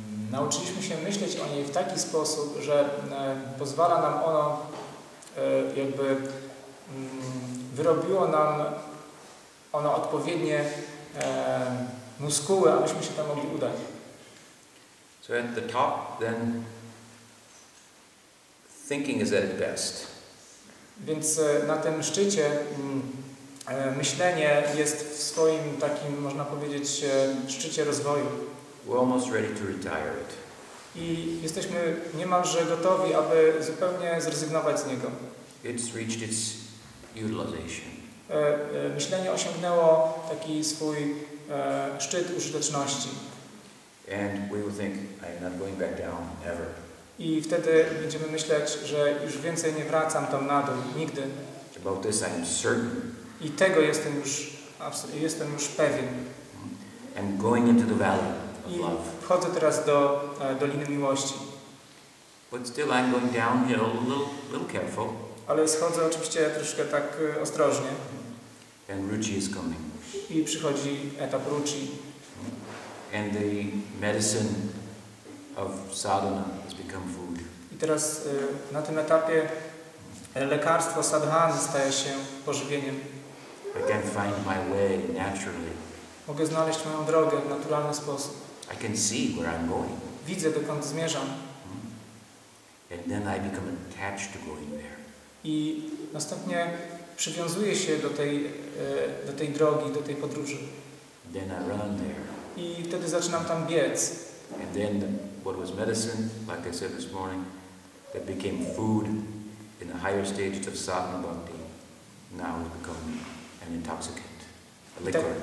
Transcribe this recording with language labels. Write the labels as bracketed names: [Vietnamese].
[Polish] Nauczyliśmy się myśleć o niej w taki sposób, że pozwala nam ono jakby wyrobiło nam ono odpowiednie muskuły, abyśmy się tam mogli udać. [English] So at the top, then thinking is at its best. [Polish] Więc na tym szczycie myślenie jest w swoim takim, można powiedzieć, szczycie rozwoju. [English] We're almost ready to retire it. [Polish] I jesteśmy niemalże gotowi, aby zupełnie zrezygnować z niego. [English] It's reached its utilization. [Polish] Myślenie osiągnęło taki swój szczyt użyteczności. [English] And we will think, I am not going back down ever. [Polish] I wtedy będziemy myśleć, że już więcej nie wracam tam na dół, nigdy. [English] About this I am certain. [Polish] I tego jestem już pewien. [English] I'm going into the valley of love. [Polish] I wchodzę teraz do doliny miłości. [English] But still I'm going downhill a little careful. [Polish] Ale schodzę oczywiście troszkę tak ostrożnie. [English] And Ruchi is coming. [Polish] I przychodzi etap Ruchi. [English] And the medicine of sadhana has become food. [Polish] I teraz na tym etapie lekarstwo sadhana staje się pożywieniem. [English] I can find my way naturally. [Polish] Mogę znaleźć moją drogę w naturalny sposób. [English] I can see where I'm going. [Polish] Widzę, dokąd zmierzam. [English] And then I become attached to going there. [Polish] I następnie przywiązuje się do tej drogi, do tej podróży. [English] Then I run there. [Polish] I wtedy zaczynam tam biec. [English] And then what was medicine, like I said this morning, that became food in the higher stages of sadhana bhakti, now has become an intoxicant, a liquor.